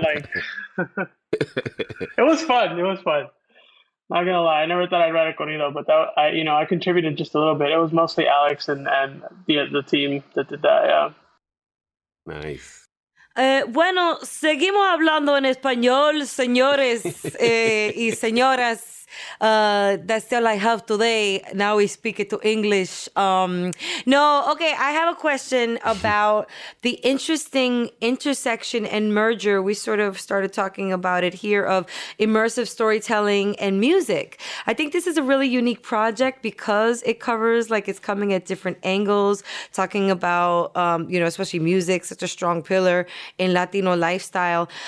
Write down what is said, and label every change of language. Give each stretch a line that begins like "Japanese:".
English: Like, it was fun, not gonna lie. I never thought I'd write a corrido, but that, I, you know, I contributed just a little bit. It was mostly Alex and the team that did that. Yeah, nice.
Spanish: Bueno, seguimos hablando en español, señores y señoras.
English: That's all I have today. Now we speak it to English. Okay, I have a question about the interesting intersection and merger. We sort of started talking about it here of immersive storytelling and music. I think this is a really unique project because it covers, like, it's coming at different angles, talking about, you know, especially music, such a strong pillar in Latino lifestyle.